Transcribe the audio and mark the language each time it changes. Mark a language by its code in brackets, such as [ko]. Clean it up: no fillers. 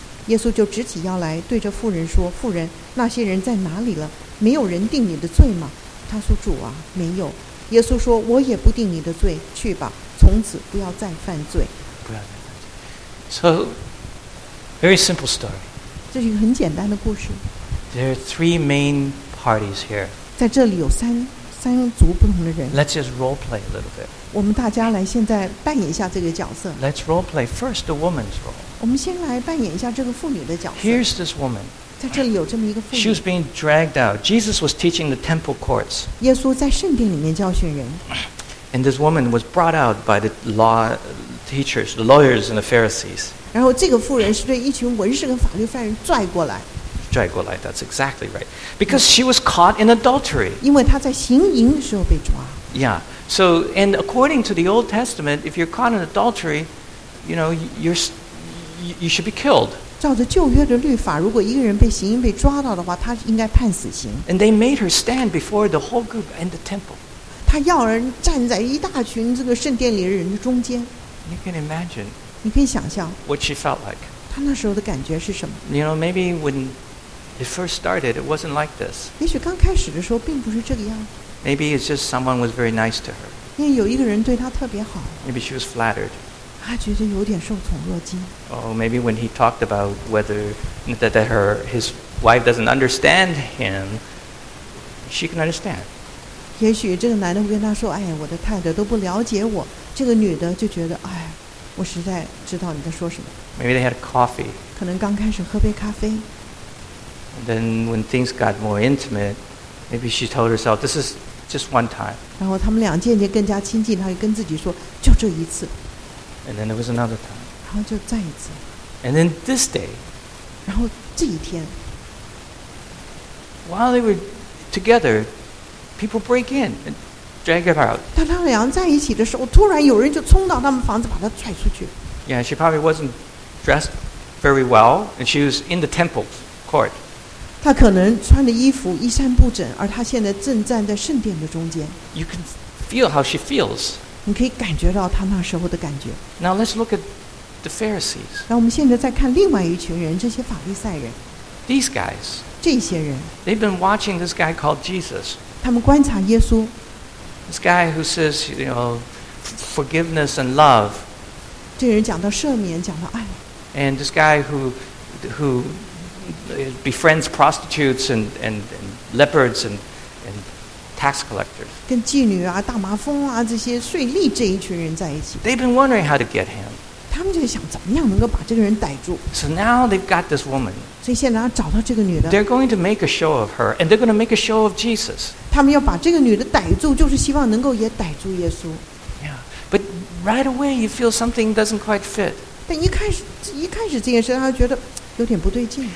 [zh] 耶稣就直起腰来对着妇人说，妇人，那些人在哪里了？没有人定你的罪吗？他说，主啊，没有。耶稣说，我也不定你的罪，去吧，从此不要再犯罪，不要再犯罪。 [en] So very simple story. [zh] 这是一个很简单的故事。 [en] There are three main parties here. [zh] 在这里有三族不同的人。 [en] Let's just role play a little bit. [zh] 我们大家来现在扮演一下这个角色。 [en] Let's role play first the woman's role. [zh] 我们先来扮演一下这个妇女的角色。 [en] Here's this woman. [zh] 在这里有这么一个妇女。 [en] She was being dragged out. Jesus was teaching the temple courts. [zh] 耶稣在圣殿里面教训人。 [en] And this woman was brought out by the law teachers, the lawyers and the Pharisees. [zh] 然后这个妇人是对一群文士跟法律犯人拽过来。拽过来, [en] that's exactly right. Because she was caught in adultery. [zh] 因为她在行淫的时候被抓。 [en] Yeah. So, and according to the Old Testament, if you're caught in adultery, you know, you should be killed. [zh] 照着旧约的律法，如果一个人被行淫被抓到的话，他应该判死刑。 [en] And they made her stand before the whole group and the temple. [zh] 他要人站在一大群这个圣殿里的人的中间。 [en] You can imagine. [zh] 你可以想象。 [en] What she felt like. [zh] 她那时候的感觉是什么？ [en] You know, maybe when it first started, it wasn't like this. [zh] 也许刚开始的时候并不是这个样。 [en] Maybe it's just someone was very nice to her. [zh] 因为有一个人对她特别好。 [en] Maybe she was flattered. [zh] 她觉得有点受宠若惊。 [en] Oh, maybe when he talked about whether that her his wife doesn't understand him, she can understand. [zh] 也许这个男的会跟她说，哎，我的太太都不了解我。这个女的就觉得，哎，我实在知道你在说什么。 [en] Maybe they had coffee. [zh] 可能刚开始喝杯咖啡。 [en] Then when things got more intimate, maybe she told herself, this is just one time. [zh] 然后他们俩渐渐更加亲近，她就跟自己说，就这一次。 [en] And then it was another time. [zh] 然后就再一次。 [en] And then this day. [zh] 然后这一天。 [en] While they were together, people break in and drag her out. [zh] 当他俩在一起的时候，突然有人就冲到他们房子把她踹出去。 [en] Yeah, she probably wasn't dressed very well, and she was in the temple court. [zh] 她可能穿的衣服衣衫不整，而她现在正站在圣殿的中间。 [en] You can feel how she feels. [zh] 你可以感觉到她那时候的感觉。 [en] Now let's look at the Pharisees. [zh] 那我们现在再看另外一群人，这些法利赛人。 [en] These guys. [zh] 这些人。 [en] They've been watching this guy called Jesus. [zh] 他们观察耶稣。 [en] This guy who says, you know, forgiveness and love. [zh] 这人讲到赦免，讲到爱。 [en] And this guy who befriends prostitutes and leopards and tax collectors. [zh] 跟妓女啊、大麻风啊这些税吏这一群人在一起。 [en] They've been wondering how to get him. [zh] 他们就想怎么样能够把这个人逮住。 [en] So now they've got this woman. [zh] 所以现在要找到这个女的。 [en] They're going to make a show of her, and they're going to make a show of Jesus. [zh] 他们要把这个女的逮住，就是希望能够也逮住耶稣。 [en] Yeah, but right away you feel something doesn't quite fit. [zh] 但一开始这件事，他觉得有点不对劲。